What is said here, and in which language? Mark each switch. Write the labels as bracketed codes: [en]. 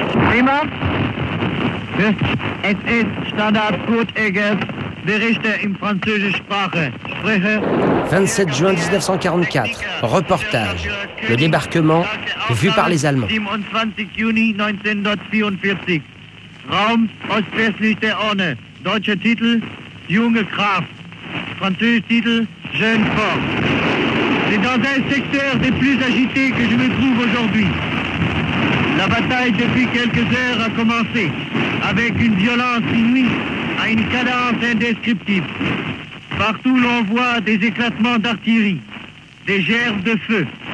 [de] Prima, es ist Standard Kurt Eger, Berichte in französischer Sprache, Sprecher. [fr] 27 juin 1944, reportage, le débarquement vu par les Allemands. [de] 27 juni 1944. Raum ostwestlich der Orne. Deutscher Titel, junge Kraft. Französisch Titel, [fr] jeune fort. C'est dans un secteur des plus agités que je me trouve aujourd'hui. La bataille depuis quelques heures a commencé, avec une violence inouïe, à une cadence indescriptible. Partout l'on voit des éclatements d'artillerie, des gerbes de feu.